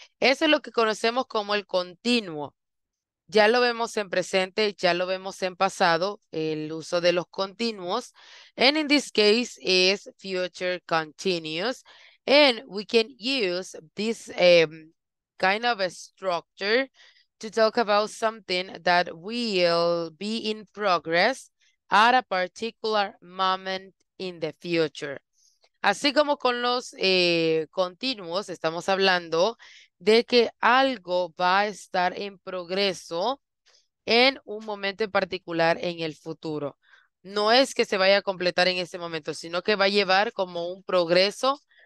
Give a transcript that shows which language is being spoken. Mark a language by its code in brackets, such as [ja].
[es] Eso es lo que conocemos como el continuo. Ya lo vemos en presente, ya lo vemos en pasado, el uso de los continuos. [en] And in this case is future continuous. And we can use this kind of a structure to talk about something that will be in progress at a particular moment in the future. [es] Así como con los continuos, estamos hablando de que algo va a estar en progreso en un momento en particular en el futuro. No es que se vaya a completar en ese momento, sino que va a llevar como un progreso.